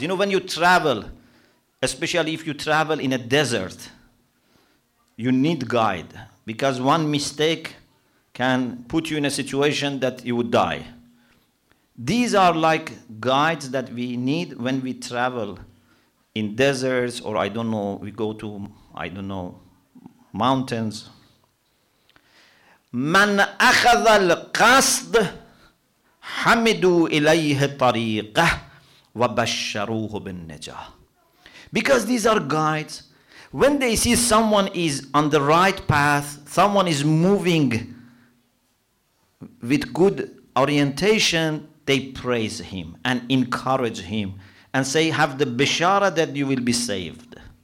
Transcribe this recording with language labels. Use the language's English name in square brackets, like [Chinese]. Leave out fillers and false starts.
[English] You know, when you travel, especially if you travel in a desert, you need guide because one mistake can put you in a situation that you would die. These are like guides that we need when we travel in deserts or we go to mountains. [Arabic] من أخذ القصد حمدوا إليه طريقة وبشروه بالنجاة. [English] Because these are guides. When they see someone is on the right path, someone is moving with good orientation, they praise him and encourage him and say, have the bishara that you will be saved.